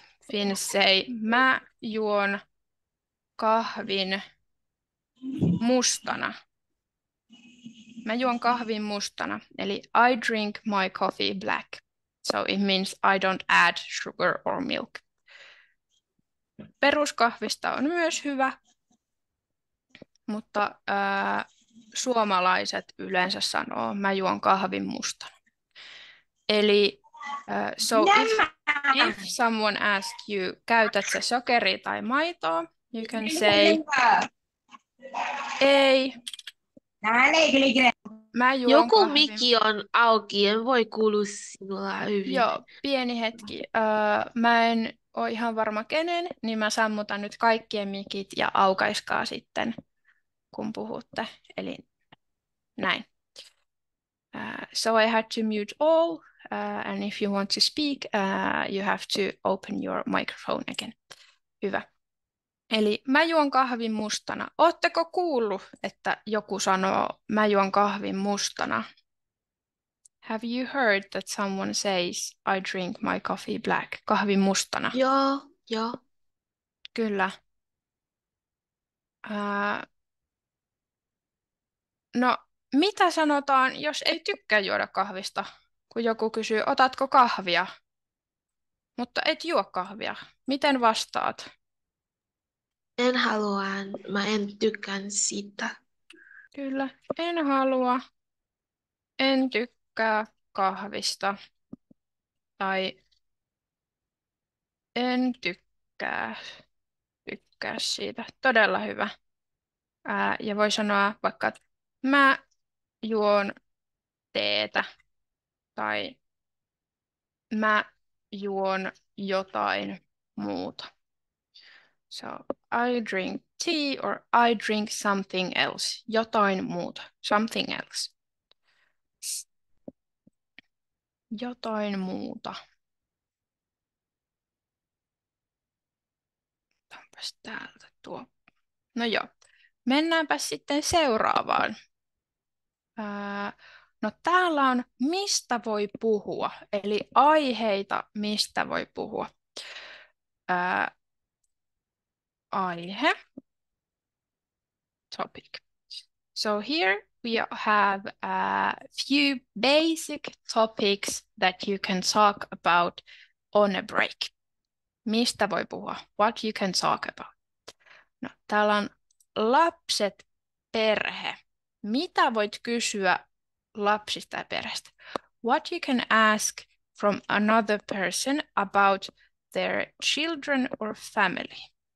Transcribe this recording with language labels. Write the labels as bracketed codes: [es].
[en] Finns say, [fi] mä juon kahvin mustana. Mä juon kahvin mustana. Eli [en] I drink my coffee black. So it means I don't add sugar or milk. [fi] Peruskahvista on myös hyvä. Mutta suomalaiset yleensä sanoo, mä juon kahvin mustana. [en] Eli so if someone asks you, [fi] käytätkö sokeria tai maitoa, [en] you can say, ei. [fi] Mä juon joku kahvin. Mikki on auki, en voi kuulua sinulla hyvin. Joo, pieni hetki. Mä en ole ihan varma kenen, niin mä sammutan nyt kaikkien mikit ja aukaiskaa sitten. Kun puhutte, eli näin. [en] So I had to mute all, and if you want to speak, you have to open your microphone again. [fi] Hyvä. Eli mä juon kahvin mustana. Ootteko kuullut, että joku sanoo, mä juon kahvin mustana? [en] Have you heard that someone says, I drink my coffee black, [fi] kahvin mustana? Joo, joo. Kyllä. No, mitä sanotaan, jos ei tykkää juoda kahvista, kun joku kysyy, otatko kahvia, mutta et juo kahvia? Miten vastaat? En halua, mä en tykkään siitä. Kyllä, en halua, en tykkää kahvista. Tai en tykkää siitä. Todella hyvä. Ja voi sanoa vaikka, mä juon teetä tai mä juon jotain muuta. [en] So, I drink tea or I drink something else. [fi] Jotain muuta. [en] Something else. [fi] Jotain muuta. Otanpas täältä tuo. No joo. Mennäänpäs sitten seuraavaan. No täällä on, mistä voi puhua, eli aiheita, mistä voi puhua. Aihe. [en] Topic. So here we have a few basic topics that you can talk about on a break. [fi] Mistä voi puhua? [en] What you can talk about? [fi] No täällä on lapset, perhe. Mitä voit kysyä lapsista ja perheestä? [en] What you can ask from another person about their children or family?